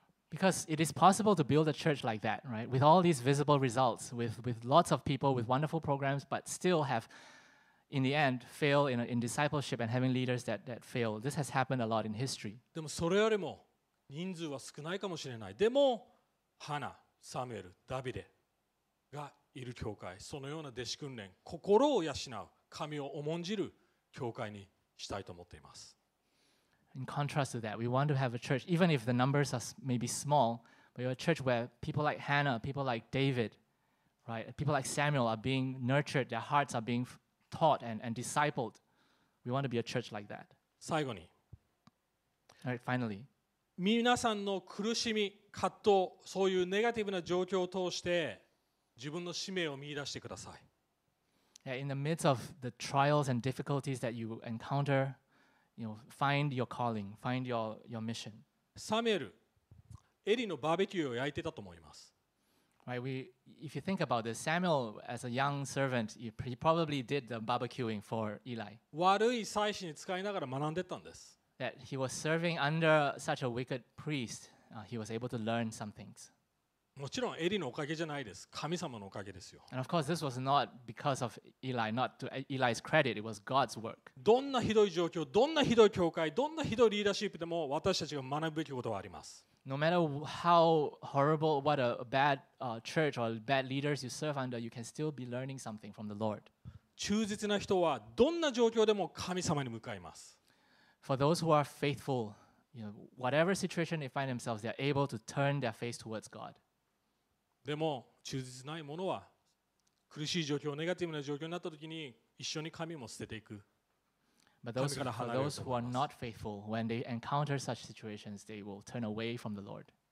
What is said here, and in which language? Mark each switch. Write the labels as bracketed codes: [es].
[en] Because it is possible to build a church like that, right? With all these visible results, with lots of people, with wonderful programs, but still have, in the end, fail in discipleship and having leaders that fail. This has happened a lot in history. [ja] でもそれよりも人数は少ないかもしれない。でも、ハナ、サムエル、ダビデがいる教会、そのような弟子訓練、心を養う、神を重んじる教会にしたいと思っています。 [en] In contrast to that, we want to have a church, even if the numbers are maybe small, but a church where people like Hannah, people like David, right, people like Samuel are being nurtured, their hearts are being taught and discipled. We want to be a church like that. [ja] 最後に。 [en] All right, finally. [ja] 皆さんの苦しみ、葛藤、そういうネガティブな状況を通して自分の使命を見出してください。 [en] Yeah, in the midst of the trials and difficulties that you encounter,You know, find your calling, find your mission. [ja] Samuel, Eli のバーベキューを焼いてたと思います。 [en] Right, if you think about this, Samuel as a young servant, he probably did the barbecuing for Eli. [ja] 悪い祭司に使いながら学んでたんです。 [en] That he was serving under such a wicked priest, he was able to learn some things. [ja] もちろんエリのおかげじゃないです。神様のおかげですよ。 [en] And of course, this was not because of Eli, not to Eli's credit. It was God's work. [ja] どんなひどい状況、どんなひどい教会、どんなひどいリーダーシップでも私たちが学ぶべきことはあります。 [en] No matter how horrible, what a bad church or bad leaders you serve under, you can still be learning something from the Lord. [ja] 忠実な人はどんな状況でも神様に向かいます。 [en] For those who are faithful, you know, whatever situation they find themselves, they are able to turn their face towards God. [ja] でも忠実ないものは苦しい状況、ネガティブな状況になったときに一緒に神も捨てていく。 [en] But those, [ja] 神から離れると思います。 [en] those who are not faithful, when they encounter such situations, they will turn away from the Lord.